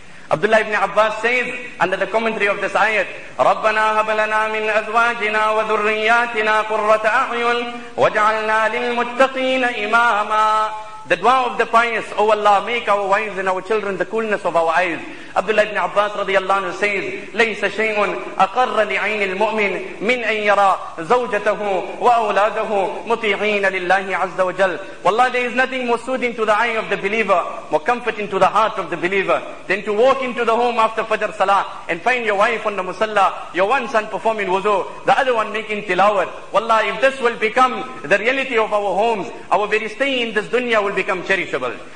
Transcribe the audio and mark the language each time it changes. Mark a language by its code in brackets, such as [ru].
[en] Abdullah ibn Abbas says, under the commentary of this ayat, [ar] رَبَّنَا هَبَلَنَا مِنْ أَزْوَاجِنَا وَذُرِّيَّاتِنَا قُرَّةَ أَعْيُنٍ وَجَعَلْنَا لِلْمُتَّقِينَ إِمَامًا. [en] The dua of the pious, O Allah, make our wives and our children the coolness of our eyes. Abdullah ibn Abbas radiallahu anhu says, [ar] لَيْسَ شَيْءٌ أَقَرَّ لِعَيْنِ الْمُؤْمِنِ مِنْ أَنْ يَرَى زَوْجَتَهُ وَأَوْلَادَهُ مُطِيعِينَ لِلَّهِ عَزَّ وَجَلَّ. [en] Wallah, there is nothing more soothing to the eye of the believer, more comforting to the heart of the believer, than to walk into the home after Fajr Salah and find your wife on the musalla, your one son performing wudu, the other one making tilawat. Wallah, if this will become the reality of our homes, our very stay in this dunya will become cherishable.